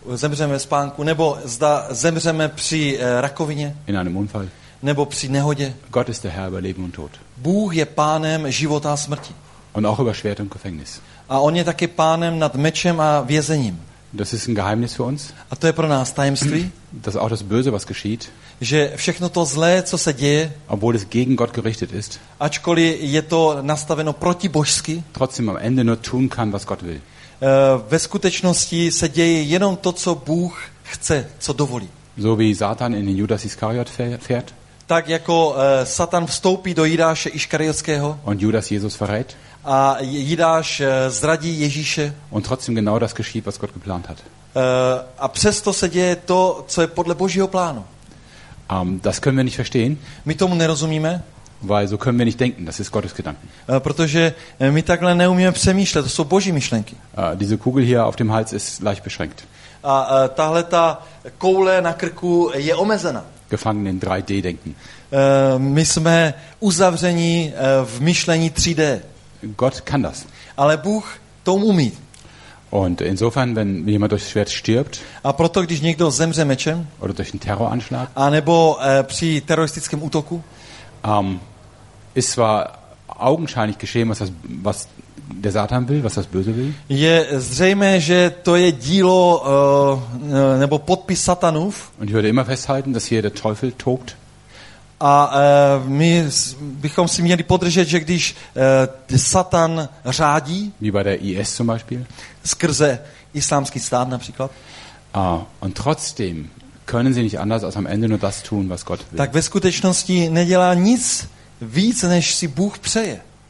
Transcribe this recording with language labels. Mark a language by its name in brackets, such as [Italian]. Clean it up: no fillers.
[Czech] Zemřeme ve spánku, nebo zda zemřeme při rakovině. [German] In einem Unfall. [Czech] Nebo při nehodě. [German] Gott ist der Herr über Leben und Tod. [Czech] Bůh je pánem života a smrti. [German] Und auch über Schwert und Gefängnis. [Czech] A on je taky pánem nad mečem a vězením. [German] Das ist ein Geheimnis für uns. [Czech] A to je pro nás tajemství. [German] Dass auch das Böse, was geschieht. [Czech] Že všechno to zlé, co se děje. [German] Obwohl es gegen Gott gerichtet ist. [Czech] Ačkoliv je to nastaveno protibožsky. [German] Trotzdem am Ende nur tun kann, was Gott will. [Czech] Ve skutečnosti se děje jenom to, co Bůh chce, co dovolí. [German] So wie Satan in den Judas Iskariot fährt. [Czech] Tak jako Satan vstoupí do Jidáše Iškariotského. [German] Und Judas Jesus verrät. [Czech] A Jidáš zradí Ježíše. [German] Und trotzdem genau das geschieht, was Gott geplant hat. [Czech] A přesto se děje to, co je podle Božího plánu. [German] Das können wir nicht verstehen. [Czech] My tomu nerozumíme. [German] Weil so können wir nicht denken, das ist Gottes Gedanken. [Czech] Protože my takhle neumíme přemýšlet, to jsou Boží myšlenky. [German] Diese Kugel hier auf dem Hals ist leicht beschränkt. [Czech] A tahle ta koule na krku je omezena. [German] Gefangen in 3D denken. [Czech] My jsme uzavření v myšlení 3D. [German] Gott kann das. [Czech] Ale Bůh to umí. [German] Und insofern, wenn jemand durch Schwert stirbt, [Czech] a proto, když někdo zemře mečem, [German] oder durch einen Terroranschlag, [Czech] anebo při teroristickém útoku, [German] ist zwar augenscheinlich geschehen, was der Satan will, was das Böse will, [Czech] je zřejmé, že to je dílo nebo podpis Satanův, [German] und ich würde immer festhalten, dass hier der Teufel tobt, [Czech] a my bychom si měli podržet, že když Satan řádí, [German] wie bei der IS zum Beispiel, [Czech] skrze islámský stát například, [German] und trotzdem können sie nicht anders als am Ende nur das tun, was Gott will. [Czech] Tak ve skutečnosti nedělá nic víc, než si Bůh přeje.